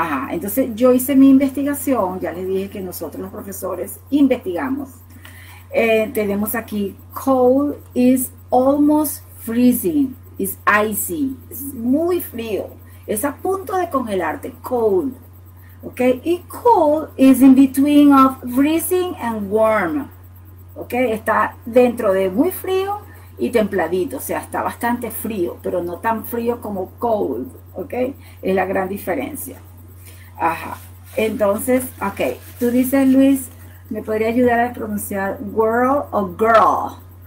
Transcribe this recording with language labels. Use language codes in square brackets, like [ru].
[es] Entonces yo hice mi investigación, ya les dije que nosotros los profesores investigamos. Tenemos aquí [en] cold is almost freezing, is icy, [es] es muy frío, es a punto de congelarte, cold, [en] Okay, y cool is in between of freezing and warm. [es] Okay, está dentro de muy frío y templadito, o sea, está bastante frío, pero no tan frío como cold. Okay, es la gran diferencia. Ajá, entonces, okay, tú dices, Luis, ¿me podría ayudar a pronunciar world o girl?